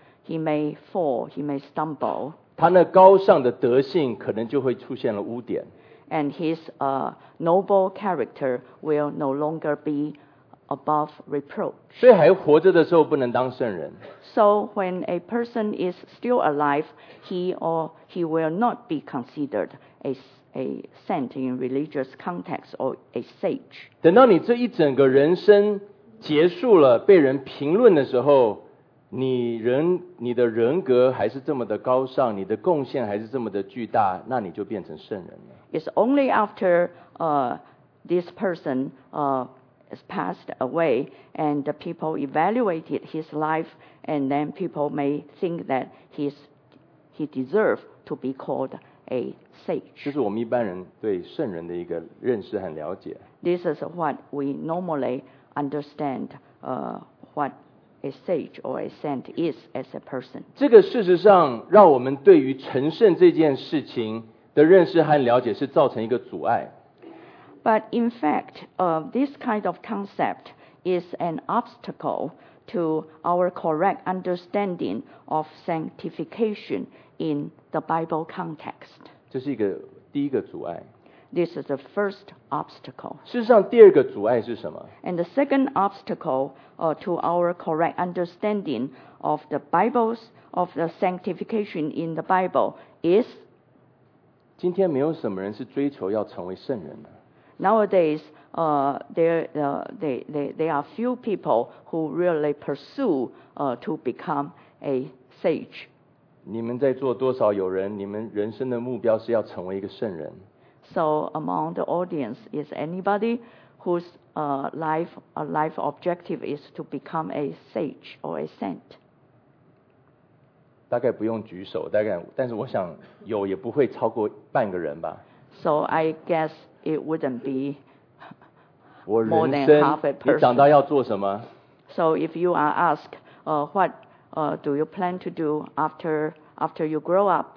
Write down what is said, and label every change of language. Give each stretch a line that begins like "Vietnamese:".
English: He may fall, he may stumble
Chinese: 他那高尚的德性可能就会出现了污点
English: And his noble character will no longer be above reproach
Chinese: 所以还活着的时候不能当圣人
English: So when a person is still alive, he or he will not be considered a saint in religious context or a sage.
Chinese: 等到你这一整个人生结束了，被人评论的时候，你的人格还是这么的高尚，你的贡献还是这么的巨大，那你就变成圣人了。
English: It's only after this person has passed away and the people evaluated his life. And then people may think that he deserves to be called a sage.
Chinese: 这是我们一般人对圣人的一个认识和了解。
English: This is what we normally understand, what a sage or a saint is as a person.
Chinese: 这个事实上让我们对于成圣这件事情的认识和了解是造成一个阻碍。
English: But in fact, this kind of concept is an obstacle. To our correct understanding of sanctification in the Bible context.
Chinese: 这是一个第一个阻碍。
English: This is the first obstacle.
Chinese: 事实上，第二个阻碍是什么？
English: And the second obstacle, to our correct understanding of the Bible's of the sanctification in the Bible is.
Chinese: 今天没有什么人是追求要成为圣人的。
English: Nowadays. There are few people who really pursue to become a sage.
Chinese: 你们在座多少有人？你们人生的目标是要成为一个圣人。
English: So among the audience, is anybody whose life objective is to become a sage or a saint?
Chinese: 大概不用举手，大概，但是我想有也不会超过半个人吧。
English: So I guess it wouldn't be.
Chinese: 我人生你长大要做什么
English: So if you are asked, what do you plan to do after you grow up?